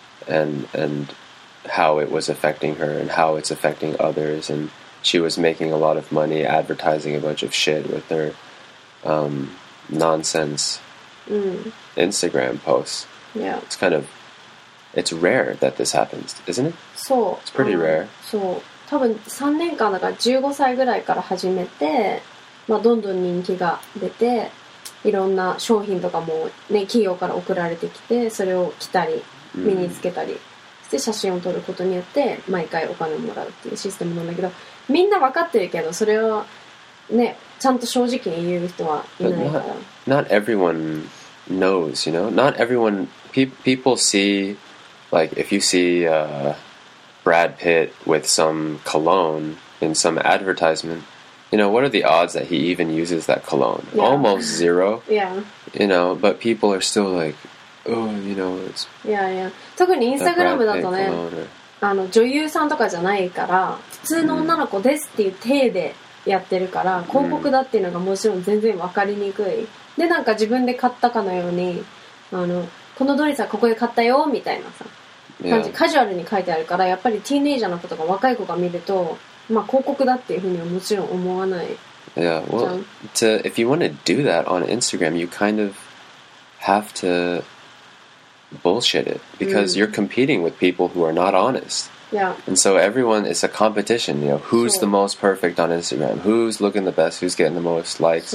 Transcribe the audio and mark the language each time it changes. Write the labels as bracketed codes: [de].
[en] And how it was affecting her and how it's affecting others. And she was making a lot of money advertising a bunch of shit with her nonsense Instagram posts. Yeah. It's rare that this happens, isn't it? So, it's pretty rare. [ja] So, 多分3年間だから15歳ぐらいから始めて、まあ、どんどん人気が出て、いろんな商品とかも、ね、企業から送られてきて、それを着たり、身につけたり、して写真を撮ることによって、毎回お金をもらうっていうシステムなんだけど、みんな分かってるけど、それを、ね、ちゃんと正直に言う人はいないから。 [en] Not everyone knows, you know? Not everyone... People see... Like, if you see Brad Pitt with some cologne in some advertisement, you know, what are the odds that he even uses that cologne? Yeah. Almost zero. Yeah. You know, but people are still like, oh, you know, it's... Yeah, yeah. [ja] 特にインスタグラムだとね、あの、女優さんとかじゃないから、普通の女の子ですっていう体でやってるから、広告だっていうのがもちろん全然わかりにくい。で、なんか自分で買ったかのように、あの、このドレスはここで買ったよみたいなさ感じ、カジュアルに書いてあるから、やっぱりティーネイジャーの子とか若い子が見ると、まあ広告だっていうふうにはもちろん思わない。 [en] Yeah, well, to, if you want to do that on Instagram, you kind of have to bullshit it because you're competing with people who are not honest. Yeah. And so everyone, it's a competition. You know, who's the most perfect on Instagram? Who's looking the best? Who's getting the most likes?